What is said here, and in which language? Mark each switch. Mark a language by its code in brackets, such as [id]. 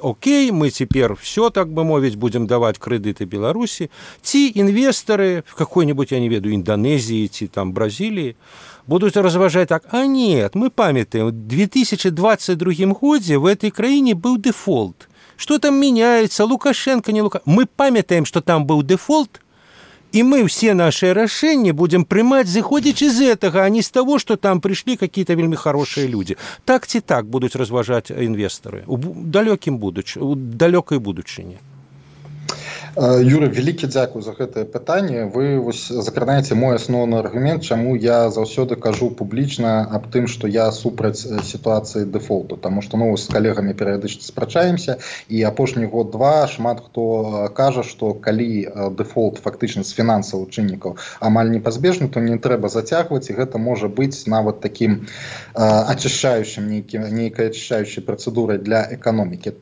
[be] Окей, мы цяпер ўсё, так бы мовіць, будзем даваць крэдыты Беларусі, ці інвестары [ru] в какой-нибудь, [be] я не ведаю, Індонезіі ці там Бразіліі, будуць разважаць так, [ru] а нет, [be] мы памятаем, у 2022 годзе [ru] в этой [be] краіне быў дэфолт. [ru] Что там меняется, Лукашенко, не Лукашенко. Мы памятаем, что там был дефолт, и мы все наши решения будем принимать, заходить из этого, а не с того, что там пришли какие-то вельми хорошие люди. Так и так будут разважать инвесторы в далеком будущем, в далекой будущине. [be] Юры, вялікі дзякуй за гэтае пытанне. Вы вось закранаеце мой асноўны аргумент, чаму я заўсёды кажу публічна аб тым, што я супраць сітуацыі дэфолту, таму што, ну, з калегамі перыядычна спрачаемся, і апошні год два шмат хто кажа, што калі дэфолт фактычна з фінансавых чыннікаў амаль непазбежны, то не трэба зацягваць, і гэта можа быць нават такім ачышчаючым нейкай ачышчаючай працэдурай для эканомікі.